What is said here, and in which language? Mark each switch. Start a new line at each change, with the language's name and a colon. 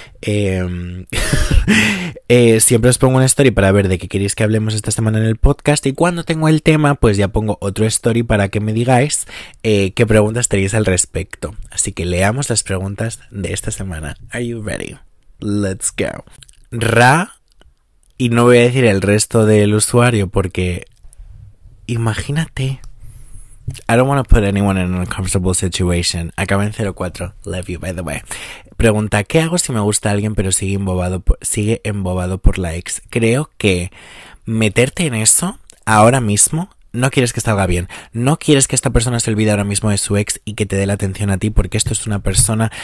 Spanish: siempre os pongo una story para ver de qué queréis que hablemos esta semana en el podcast, y cuando tengo el tema, pues ya pongo otro story para que me digáis qué preguntas tenéis al respecto. Así que leamos las preguntas de esta semana.
English: Are you ready? Let's go.
Spanish: Ra, y no voy a decir el resto del usuario porque imagínate.
English: I don't want to put anyone in an uncomfortable situation.
Spanish: Acaba en 04.
English: Love you, by the way.
Spanish: Pregunta: ¿qué hago si me gusta alguien pero sigue embobado por la ex? Creo que meterte en eso ahora mismo no quieres que salga bien. No quieres que esta persona se olvide ahora mismo de su ex y que te dé la atención a ti, porque esto es una persona.